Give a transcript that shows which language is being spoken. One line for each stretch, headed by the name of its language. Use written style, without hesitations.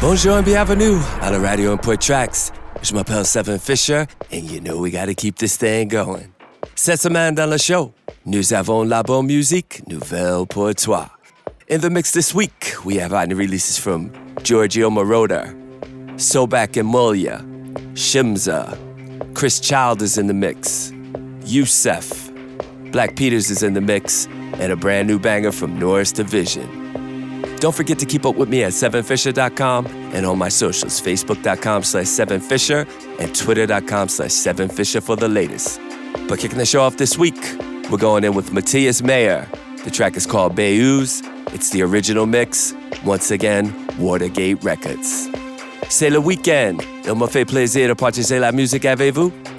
French: Bonjour
English: and
French: bienvenue à la radio
English: Import Tracks.
French: Je m'appelle
English: Seven Fisher, and you know we gotta keep this thing going.
French: Cette semaine dans le show, nous avons la bonne musique nouvelle pour toi.
English: In the mix this week, we have our new releases from Giorgio Moroder, Sobek and Mulya, Shimza, Chris Child is in the mix, Youssef, Black Peters is in the mix, and a brand new banger from Norris Division. Don't forget to keep up with me at 7fisher.com and on my socials, facebook.com/7fisher and twitter.com/7fisher for the latest. But kicking the show off this week, we're going in with Matthias Mayer. The track is called Bayouz. It's the original mix. Once again, Watergate Records.
French: C'est le week-end. Il me fait plaisir de partager la musique avec vous.